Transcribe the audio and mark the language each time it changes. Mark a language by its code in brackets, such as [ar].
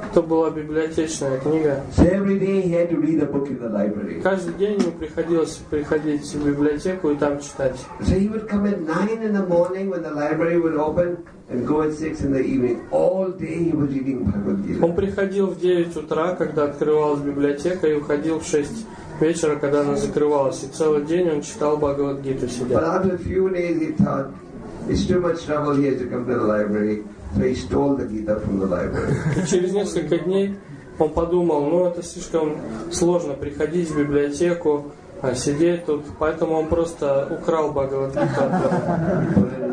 [ru] Это была библиотечная книга. [en] So every day he had to read a book in the library. [ru] Каждый день ему приходилось приходить в библиотеку и там читать. [en] So he would come at 9 in the morning when the library would open and go at 6 in the evening. All day he was reading Bhagavad-gita. [ru] Он приходил в 9 утра, когда открывалась библиотека, и уходил в 6 вечера, когда она закрывалась, и целый день он читал Бхагавад-гиту себе. [en] But after a few days he thought, it's too much trouble, he has to come to the library. So he stole the Gita from the library. [ru] И через несколько дней он подумал, ну это слишком сложно приходить в библиотеку, а сидеть тут. Поэтому он просто украл Бхагавад-гиту.